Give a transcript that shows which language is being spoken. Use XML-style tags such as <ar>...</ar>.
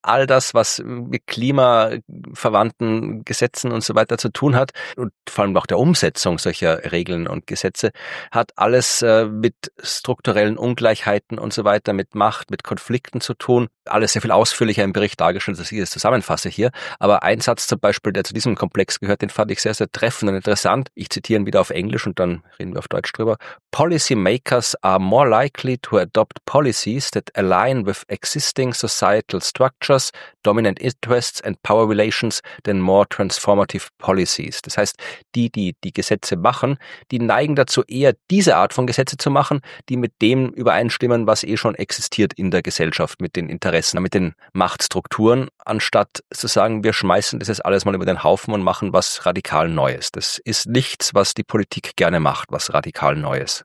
<de>All das, was mit klimaverwandten Gesetzen und so weiter zu tun hat und vor allem auch der Umsetzung solcher Regeln und Gesetze, hat alles mit strukturellen Ungleichheiten und so weiter, mit Macht, mit Konflikten zu tun. Alles sehr viel ausführlicher im Bericht dargestellt, dass ich das zusammenfasse hier. Aber ein Satz zum Beispiel, der zu diesem Komplex gehört, den fand ich sehr, sehr treffend und interessant. Ich zitiere ihn wieder auf Englisch und dann reden wir auf Deutsch drüber.</de> <en>Policymakers are more likely to adopt policies that align with existing societal structures, dominant interests and power relations than more transformative policies.</en> <de>Das heißt, die Gesetze machen, die neigen dazu, eher diese Art von Gesetze zu machen, die mit dem übereinstimmen, was eh schon existiert in der Gesellschaft, mit den Interessen, mit den Machtstrukturen, anstatt zu sagen, wir schmeißen das jetzt alles mal über den Haufen und machen was radikal Neues. Das ist nichts, was die Politik gerne macht, was radikal radikal Neues.</de>